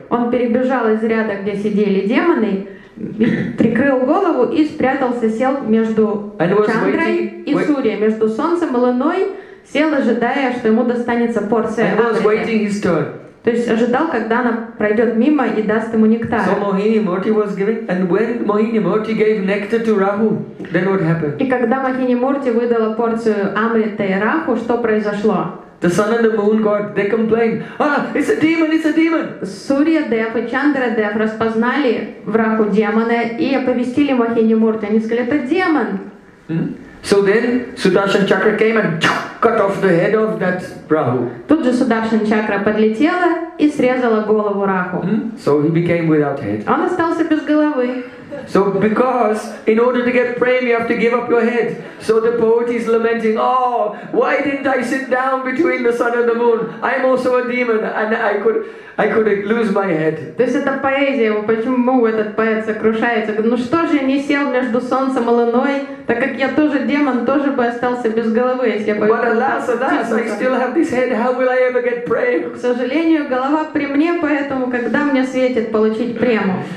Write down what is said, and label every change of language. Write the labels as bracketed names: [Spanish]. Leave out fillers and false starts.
[Russian] Он перебежал из ряда, где сидели демоны, прикрыл голову и спрятался, сел между Чандрой и Сурьей, между Солнцем и Луной, сел, ожидая, что ему достанется порция амрита. То есть ожидал, когда она пройдет мимо и даст ему нектар. [English] So Mohini Murti was giving, and when Mohini Murti gave nectar to Rahu, then what happened? [Russian] И когда Mohini Murti выдала порцию амрита и Раху, что произошло? [English] The sun and the moon god, they complained. Ah, it's a demon, it's a demon. [Russian] Surya Dev и Chandra Dev распознали в Раху демона и оповестили Mohini Murti. Они сказали, это демон. [English] So then Sudarshan Chakra came and cut off the head of that Rahu. [Russian] Тут же Sudarshan Chakra подлетела и срезала голову Раху. [English] So he became without head. [Russian] Он остался без головы. [English] So because in order to get prem you have to give up your head. So the poet is lamenting, oh, why didn't I sit down between the sun and the moon? I'm also a demon and I could lose my head. [Russian] То есть это поэзия, почему этот поэт сокрушается? Ну что же я не сел между солнцем и луной, так как я тоже демон, тоже бы остался без головы, если я бы... [English] But alas, alas, I still have this head, how will I ever get prem? [Russian] К сожалению, голова при мне, поэтому когда мне светит получить прему?